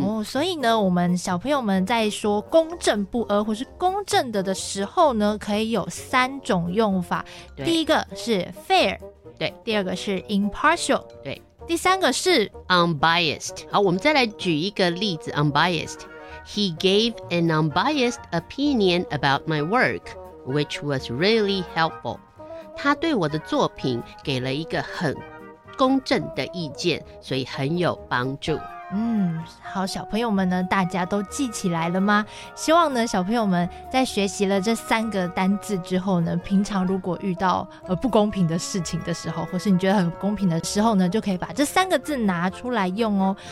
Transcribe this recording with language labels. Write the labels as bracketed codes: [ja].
[zh] 所以呢，我们小朋友们在说公正不阿或是公正的时候呢，可以有三种用法。第一个是 fair，对。第二个是 impartial，对。第三个是 [en] unbiased。 [zh] 好，我们再来举一个例子。 [en] unbiased He gave an unbiased opinion about my work, which was really helpful. [zh] 他对我的作品给了一个很公正的意见，所以很有帮助。好，小朋友们呢，大家都记起来了吗？希望呢，小朋友们在学习了这三个单字之后呢，平常如果遇到不公平的事情的时候，或是你觉得很公平的时候呢，就可以把这三个字拿出来用哦。